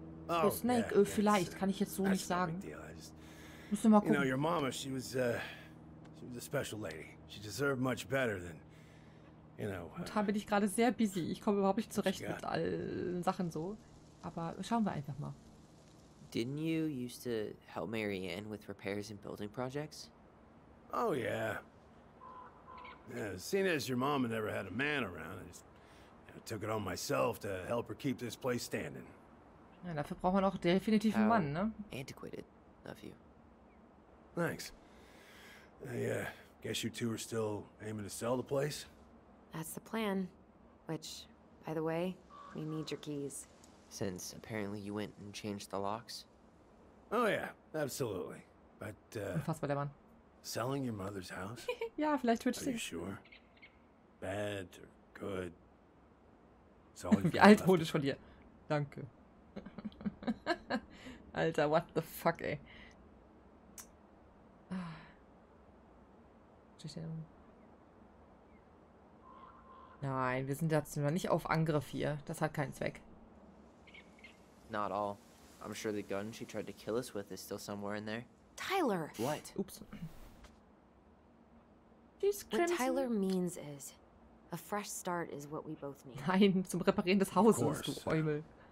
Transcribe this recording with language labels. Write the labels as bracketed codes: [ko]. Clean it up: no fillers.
[de] Oh, so, Snake, yeah, vielleicht, kann ich jetzt so nicht sagen. [en] Just, you know, your mama, she was a special lady. She deserved much better than, you know. [de] Und da bin ich gerade sehr busy. Ich komme überhaupt nicht zurecht mit allen Sachen so. Aber schauen wir einfach mal. [en] Didn't you used to help Marianne with repairs and building projects? Oh, yeah. Yeah, seeing as your mama never had a man around, I just, you know, took it on myself to help her keep this place standing. [de] Ja, dafür braucht man auch definitiv einen Mann, ne? [en] Antiquated. Love you. Thanks. Yeah, guess you two are still aiming to sell the place? That's the plan. Which, by the way, we need your keys. Since apparently you went and changed the locks? Oh yeah, absolutely. But, [de] unfassbar, der Mann. [en] Selling your mother's house? [de] Ja, vielleicht wird's. [en] Are you sure? Bad or good? It's all you've got. [de] Wie altmodisch von dir. Danke. [en] Alter, what the fuck, ey. [de] Nein, wir sind jetzt noch nicht auf Angriff hier. Das hat keinen Zweck. [en] Not all. I'm sure the gun she tried to kill us with is still somewhere in there. Tyler! What? Oops. What Tyler means is, a fresh start is what we both need. [de] Nein, zum Reparieren des Hauses, du Eumel.